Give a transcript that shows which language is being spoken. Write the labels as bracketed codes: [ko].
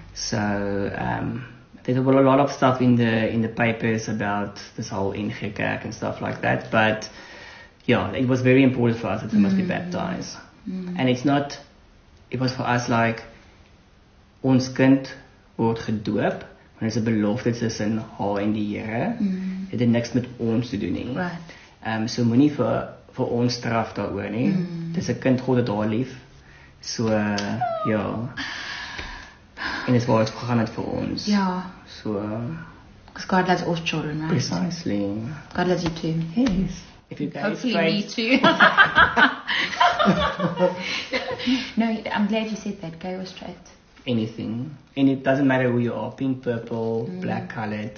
[en] So, there's a lot of stuff in the papers about this whole in Gekerk and stuff like that, but it was very important for us that they must be baptized. Mm. And it was for us like, [af] ons kind word gedoop. En dit is 'n belofte tussen haar en die Here. Mm. Het niks met ons te doen nie. [en] Right. [af] So moenie vir ons straf daaroor nie. Mm. Dis 'n kind God het haar lief. So ja. En dit was gegaan het vir ons. Ja. [en] So because God loves all children, right? Precisely. God loves you too. Yes. If you guys hopefully pray. Me too. No, I'm glad you said that. Gay or straight. Anything. And it doesn't matter who you are. Pink, purple, black, colored.